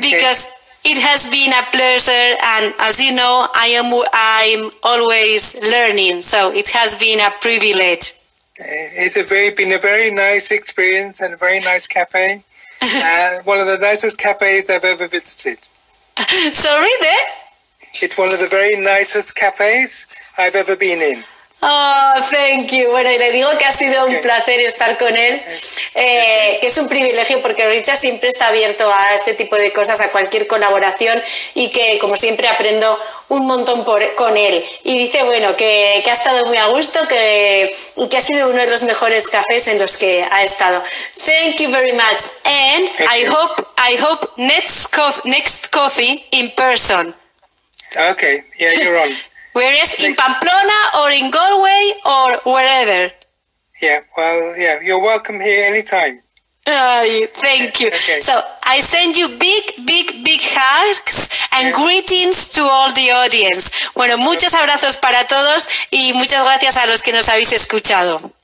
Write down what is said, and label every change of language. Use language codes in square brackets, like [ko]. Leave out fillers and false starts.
[en] Because it has been a pleasure, and as you know, I'm always learning, so it has been a privilege. It's been a very nice experience and a very nice cafe. One of the nicest cafes I've ever visited. Sorry, then? It's one of the very nicest cafes I've ever been in. Oh, thank you. [es] Bueno, y le digo que ha sido un placer estar con él, que es un privilegio, porque Richard siempre está abierto a este tipo de cosas, a cualquier colaboración, y que, como siempre, aprendo un montón con él. Y dice, bueno, que ha estado muy a gusto, que ha sido uno de los mejores cafés en los que ha estado. [en] Thank you very much. And I hope next coffee in person. Okay, yeah, you're on. Whereas in Pamplona or in Galway or wherever. Yeah, well, yeah, you're welcome here anytime. Thank you. Okay. So I send you big, big, big hugs and greetings to all the audience. [es] Bueno, muchos abrazos para todos y muchas gracias a los que nos habéis escuchado.